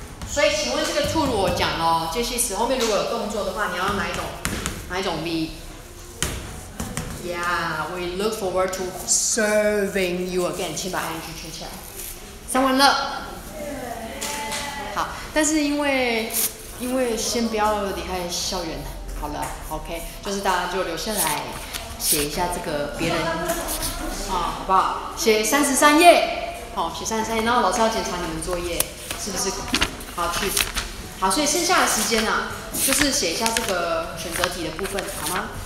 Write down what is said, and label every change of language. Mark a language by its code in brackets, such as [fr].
[zh] 所以，请问这个 to 我讲哦，介系词后面如果有动作的话，你要用哪一种 be？ [en] Yeah， we look forward to serving you again. [zh] 请把 ing 圈起来。讲完了，好，但是因为先不要离开校园，好了 ，OK， 就是大家就留下来写一下这个别人啊，好不好？写33页，好，写33页，然后老师要检查你们作业是不是好去，好，所以剩下的时间啊，就是写一下这个选择题的部分，好吗？